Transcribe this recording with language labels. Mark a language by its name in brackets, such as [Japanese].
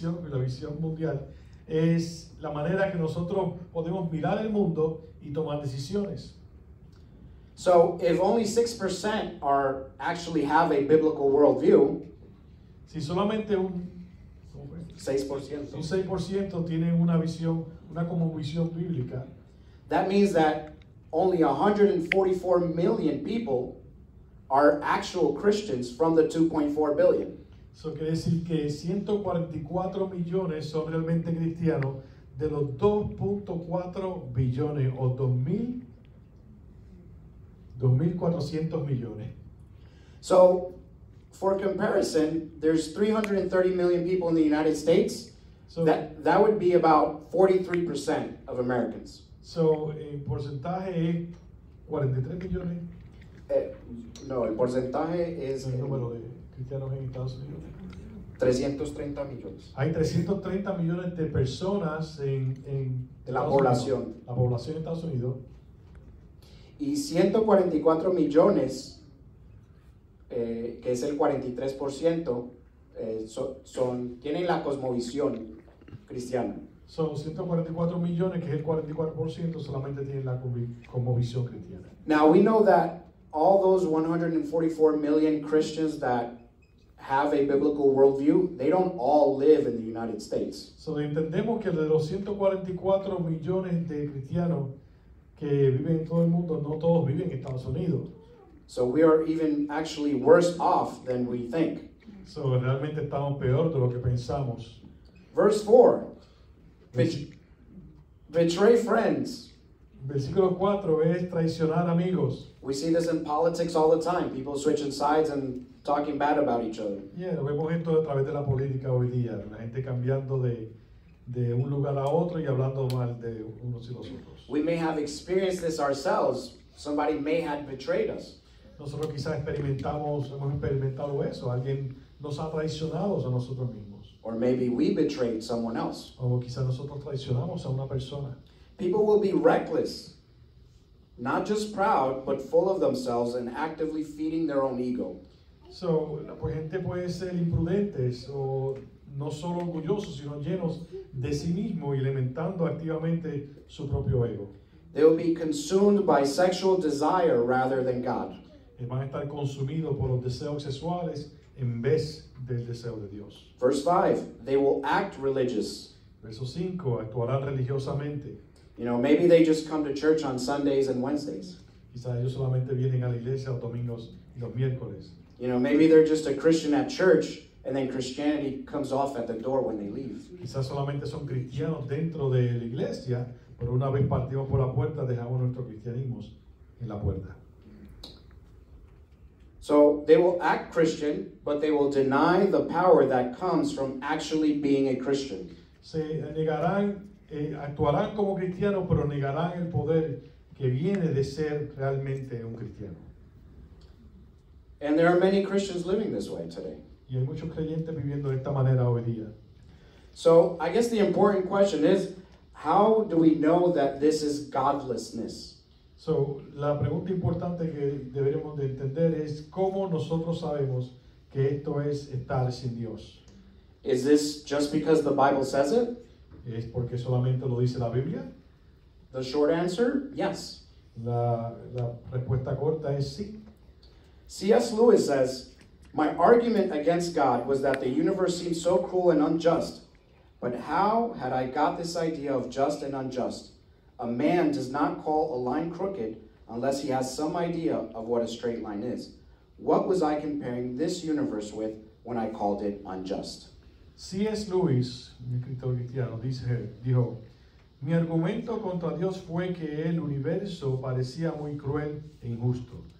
[Spanish] La visión mundial es la manera que nosotros podemos mirar el mundo y tomar decisiones. [English] So if only 6% are actually have a biblical worldview, [Spanish] si solamente un 6%, un 6% tiene una visión, una como visión bíblica, [English] that means that only 144 million people are actual Christians from the 2.4 billion. [Spanish] Eso quiere decir que 144 millones son realmente cristianos de los 2.4 billones o 2.400 millones. [English] So, for comparison, there's 330 million people in the United States. So, that would be about 43% of Americans. [Spanish] So, el porcentaje es 43 millones. No, el porcentaje es el número de cristianos en Estados Unidos. 330 millones. Hay 330 millones de personas en la población. Unidos, la población en Estados Unidos. Y 144 millones, que es el 43%, son tienen la cosmovisión cristiana. Son 144 millones, que es el 44%, solamente tienen la cosmovisión cristiana. [English] Now we know that all those 144 million Christians that have a biblical worldview, they don't all live in the United States. [Spanish] So entendemos que de los 144 millones de cristianos que viven en todo el mundo, no todos viven en Estados Unidos. [English] So we are even actually worse off than we think. [Spanish] So realmente estamos peor de lo que pensamos. [English] Verse 4. Betray friends. [Spanish] Versículo 4 es traicionar amigos. [English] We see this in politics all the time. People switching sides and talking bad about each other. [Spanish] Yeah, lo vemos esto a través de la política hoy día. La gente cambiando de un lugar a otro y hablando mal de unos y los otros. [English] We may have experienced this ourselves. Somebody may have betrayed us. [Spanish] Nosotros quizás hemos experimentado eso. Alguien nos ha traicionado a nosotros mismos. [English] Or maybe we betrayed someone else. [Spanish] O quizás nosotros traicionamos a una persona. [English] People will be reckless, not just proud, but full of themselves and actively feeding their own ego. [Spanish] So, pues gente puede ser imprudentes o no solo orgullosos, sino llenos de sí mismo y alimentando activamente su propio ego. [English] They will be consumed by sexual desire rather than God. [Spanish] Van a estar consumidos por los deseos sexuales en vez del deseo de Dios. [English] Verse 5, they will act religious. [Spanish] Verso 5, actuarán religiosamente. [English] You know, maybe they just come to church on Sundays and Wednesdays. [Spanish] Quizás ellos solamente vienen a la iglesia los domingos y los miércoles. [English] You know, maybe they're just a Christian at church, and then Christianity comes off at the door when they leave. [Spanish] Quizás solamente son cristianos dentro de la iglesia, pero una vez partimos por la puerta, dejamos nuestro cristianismo en la puerta. [English] So they will act Christian, but they will deny the power that comes from actually being a Christian. [Spanish] Se negarán, actuarán como cristiano, pero negarán el poder que viene de ser realmente un cristiano. [English] And there are many Christians living this way today. [Spanish] Y hay muchos creyentes viviendo de esta manera hoy día. [English] So I guess the important question is, how do we know that this is godlessness? [Spanish] So, la pregunta importante que deberíamos de entender es cómo nosotros sabemos que esto es estar sin Dios. [English] Is this just because the Bible says it? [Spanish] ¿Es porque solamente lo dice la Biblia? [English] The short answer, yes. [Spanish] La respuesta corta es sí. [English] C.S. Lewis says, "My argument against God was that the universe seemed so cruel and unjust. But how had I got this idea of just and unjust? A man does not call a line crooked unless he has some idea of what a straight line is. What was I comparing this universe with when I called it unjust?" [Spanish] C.S. Lewis, mi escritor cristiano, dijo, "Mi argumento contra Dios fue que el universo parecía muy cruel e injusto.